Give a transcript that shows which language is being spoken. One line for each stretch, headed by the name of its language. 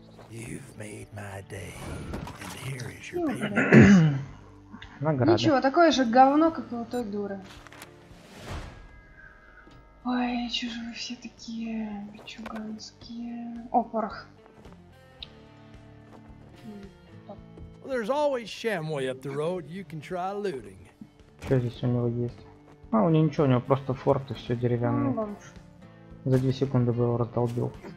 English: You've made my day, and here is your payment.
Russian: Награда. Ничего, такое же говно, как и у той дуры. Ой, чё же вы все такие бичуганские. О, порох.
English: Well, there's always Shamway up the road, you can try looting.
Russian: Чё здесь у него есть? А, у него ничего, у него просто форт и всё деревянное. За 2 секунды бы его раздолбил.